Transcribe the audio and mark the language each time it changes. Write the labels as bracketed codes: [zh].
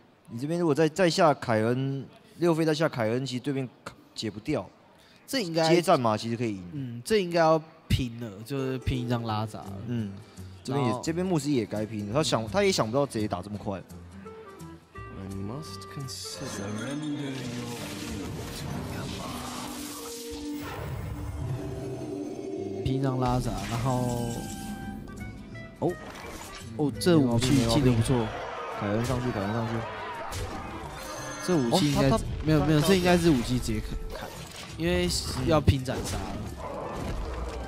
[zh] 你这边如果再下凯恩，六费再下凯恩，其实对面解不掉。这应该接战嘛，其实可以赢。这应该要拼了，就是拼一张拉闸。这边牧师也该拼了，他也想不到直接打这么快。 [en] I must consider surrender your will. [zh] 拼一张拉闸，然后哦，这武器进的不错，凯恩上去，凯恩上去。这武器应该、哦、没有，这应该是武器直接砍，因为要拼斩杀了。